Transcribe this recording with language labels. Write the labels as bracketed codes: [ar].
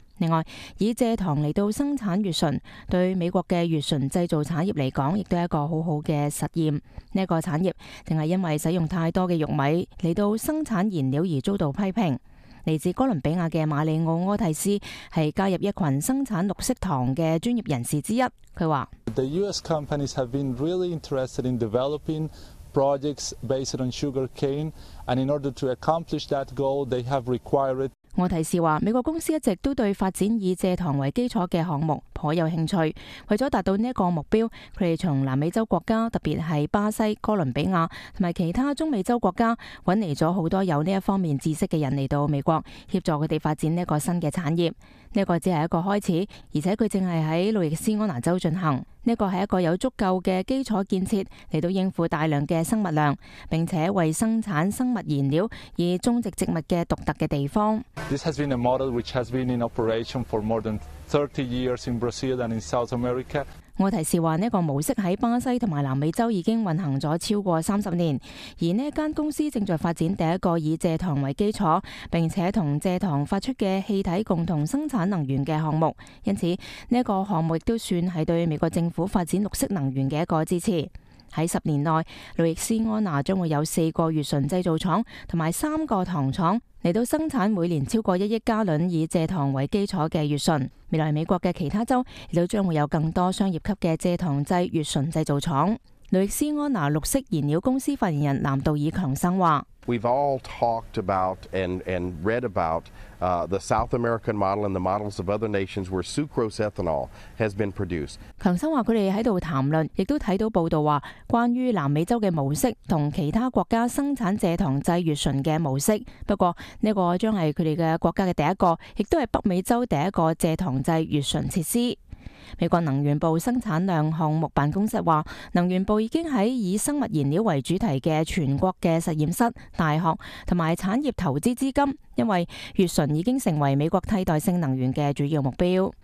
[zh] 另外，以蔗糖来到生产乙醇，对美国的乙醇制造产业来讲，亦都是一个很好的实验。这个产业正是因为使用太多的玉米来到生产燃料而遭到批评。来自哥伦比亚的马里奥·柯蒂斯是加入一群生产绿色糖的专业人士之一。他说 [en] ：The U.S. companies have been really interested in developing projects based on sugar cane, and in order to accomplish that goal, they have required。 [zh] 柯蒂斯说，美国公司一直都对发展以蔗糖为基础的项目颇有兴趣。为了达到这个目标，他们从南美洲国家，特别是巴西、哥伦比亚和其他中美洲国家，找来了很多有这方面知识的人来到美国，协助他们发展这个新的产业。这个只是一个开始，而且它正是在路易斯安那州进行。这个是一个有足够的基础建设来到应付大量的生物量，并且为生产生物燃料以种植植物的独特的地方。 [en] This has been a model which has been in operation for more than 30 years in Brazil and in South America. [zh] 柯蒂斯说，这个模式在巴西和南美洲已经运行了超过30年，而这间公司正在发展第一个以蔗糖为基础，并且和蔗糖发出的气体共同生产能源的项目。因此，这个项目也算是对美国政府发展绿色能源的一个支持。在10年内，路易斯安那将会有4个乙醇制造厂和3个糖厂来到生产每年超过1亿加仑以蔗糖为基础的乙醇。未来美国的其他州也将会有更多商业级的蔗糖制乙醇制造厂。瑞斯安娜绿色燃料公司发言人南道尔强生话 [en] ：We've all talked about and read about the South American model and the models of other nations where sucrose ethanol has been produced。 [zh] 强生话佢哋喺度谈论，亦都睇到报道话关于南美洲嘅模式同其他国家生产蔗糖制乙醇嘅模式。不过呢个将系佢哋嘅国家嘅第一个，亦都系北美洲第一个蔗糖制乙醇设施。美国能源部生产量项目办公室说，能源部已经在以生物燃料为主题的全国的实验室、大学和产业投资资金，因为乙醇已经成为美国替代性能源的主要目标。